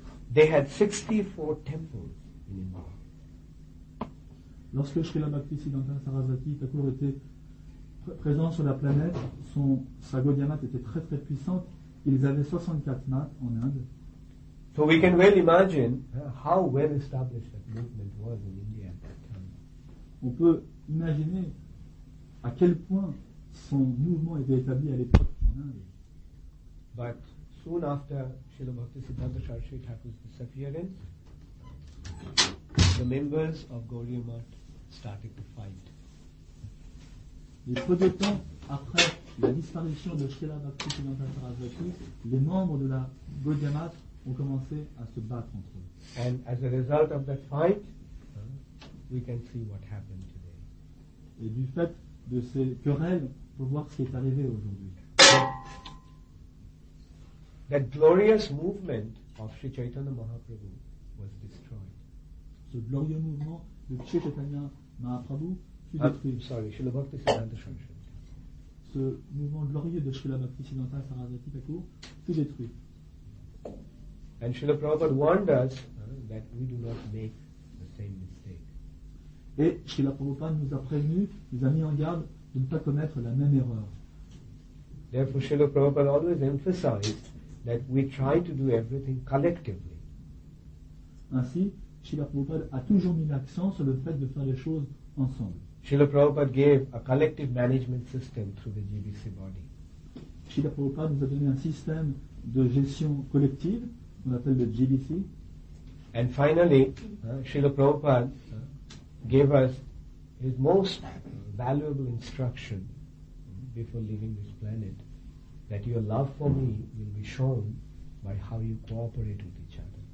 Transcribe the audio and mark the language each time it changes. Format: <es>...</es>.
<en>They had 64 temples in India.</en> <fr>Lorsque Srila Bhaktisiddhanta Saraswati Thakur était présent sur la planète, sa Gaudiya Math était très très puissante. Ils avaient 64 maths en Inde.</fr> <en>So we can well imagine how well established that movement was in India at that time.</en> <fr>On peut imaginer à quel point son mouvement était établi à l'époque en Inde.</fr> <en>But soon after Srila Bhaktisiddhanta Saraswati Thakur's disappearance, the members of Gaudiya Math started to fight.</en> <fr>Et peu de temps après la disparition de Srila Bhaktisiddhanta Saraswati, les membres de la Gaudiya Math ont commencé à se battre entre eux.</fr> <en>And as a result of that fight, we can see what happened today.</en> <fr>Et du fait de ces querelles, on peut voir ce qui est arrivé aujourd'hui.</fr> <en>That glorious movement of Sri Chaitanya Mahaprabhu was destroyed.</en> <fr>Ce glorieux mouvement de Sri Chaitanya Mahaprabhu Srila Bhaktisiddhanta Saraswati. Ce mouvement glorieux de Srila Bhaktisiddhanta Saraswati Thakur fut détruit.</fr> <en>And Srila Prabhupada warned us that we do not make the same mistake.</en> <fr>Et Srila Prabhupada nous a prévenu, nous a mis en garde de ne pas commettre la même erreur.</fr> <en>Therefore Srila Prabhupada always emphasized that we try to do everything collectively.</en> <fr>Ainsi, Srila Prabhupada a toujours mis l'accent sur le fait de faire les choses ensemble.</fr> <en>Srila Prabhupada gave a collective management system through the GBC body.</en> <fr>Srila Prabhupada nous a donné un système de gestion collective qu'on appelle le GBC.</fr> <en>And finally, Srila Prabhupada gave us his most valuable instruction before leaving this planet, that your love for me will be shown by how you cooperate with each other.</en>